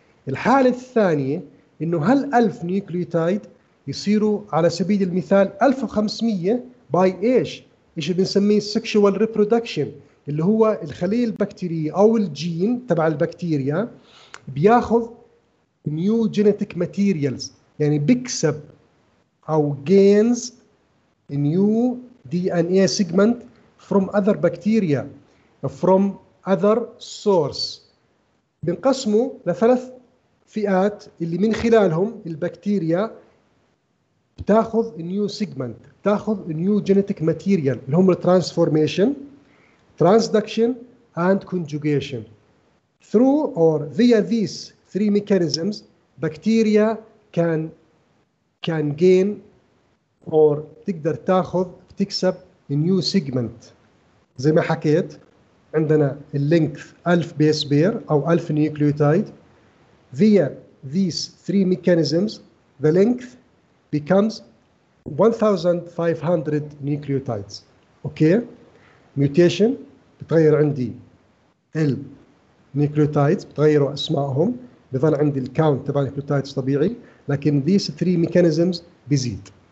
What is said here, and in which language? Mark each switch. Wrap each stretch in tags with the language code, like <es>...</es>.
<ar>الحالة الثانية انه هل 1000 nucleotide يصيروا على سبيل المثال 1500 by ايش؟ ايش بنسميه sexual reproduction، اللي هو الخلية البكتيرية او الجين تبع البكتيريا بياخذ</ar> <en>new genetic materials،</en> <ar>يعني بيكسب او</ar> <en>gains new DNA segment from other bacteria from other source.</en> <ar>بنقسمه لثلاث فئات اللي من خلالهم البكتيريا بتاخذ</ar> <en>new segment،</en> <ar>بتاخذ</ar> <en>new genetic material،</en> <ar>اللي هم transformation, transduction and conjugation.</ar> <en>Through or via these three mechanisms, bacteria can gain or</en> <ar>تقدر تاخذ تكسب</ar> <en>new segment.</en> <ar>زي ما حكيت عندنا length 1000 base pair او 1000 nucleotide.</ar> <en>Via these three mechanisms the length becomes 1500 nucleotides. Okay.</en> <ar>Mutation بتغير عندي ال nucleotides، بتغيروا اسمائهم، بظل عندي الكاونت تبع النيكليوتايدز طبيعي، لكن</ar> <en>these three mechanisms</en> <ar>بيزيد.</ar>